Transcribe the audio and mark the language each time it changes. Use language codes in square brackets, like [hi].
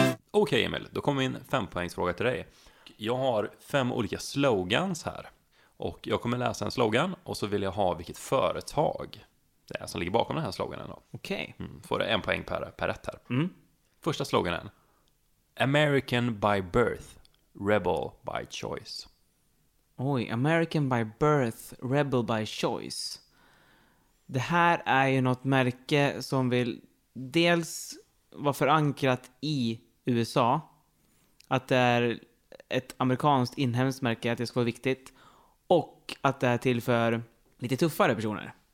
[sv] Okej, Emil, då kommer min 5-poängsfråga till dig. Jag har 5 olika slogans här. Och jag kommer läsa en slogan och så vill jag ha vilket företag det är som ligger bakom den här sloganen då. Okej. Mm, får du 1 poäng per rätt här. Mm. Första sloganen. [en] American by birth, rebel by choice. Oj, American by birth, rebel by choice. [sv] Det här är ju något märke som vill dels vara förankrat i USA, att det är ett amerikanskt inhemskt märke, att det ska vara viktigt, och att det är till för lite tuffare personer.